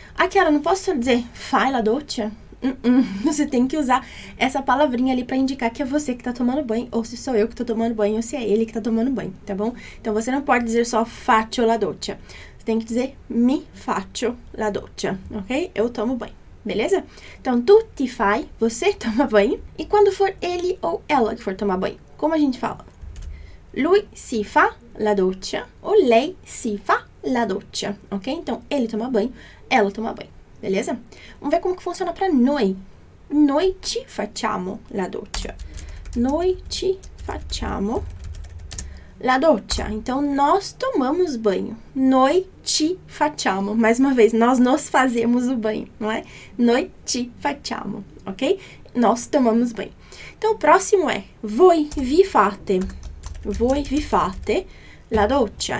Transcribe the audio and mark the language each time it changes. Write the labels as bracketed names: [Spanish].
[Portuguese] Aquela, não posso dizer [Italian] fai la doccia? [Portuguese] Você tem que usar essa palavrinha ali para indicar que é você que está tomando banho, ou se sou eu que estou tomando banho, ou se é ele que está tomando banho, tá bom? Então você não pode dizer só [Italian] faccio la doccia. [Portuguese] Você tem que dizer [Italian] mi faccio la doccia, [Portuguese] ok? Eu tomo banho, beleza? Então [Italian] tu ti fai, [Portuguese] você toma banho, e quando for ele ou ela que for tomar banho, como a gente fala? [Italian] Lui si fa la doccia [Portuguese] ou [Italian] lei si fa la doccia, ok? [Portuguese] Então ele toma banho, ela toma banho. Beleza? Vamos ver como que funciona para noi. [Italian] Noi ci facciamo la doccia. Noi ci facciamo la doccia. [Portuguese] Então, nós tomamos banho. [Italian] Noi ci facciamo. [Portuguese] Mais uma vez, nós nos fazemos o banho, não é? [Italian] Noi ci facciamo, [Portuguese] ok? Nós tomamos banho. Então, o próximo é [Italian] voi vi fate. Voi vi fate la doccia.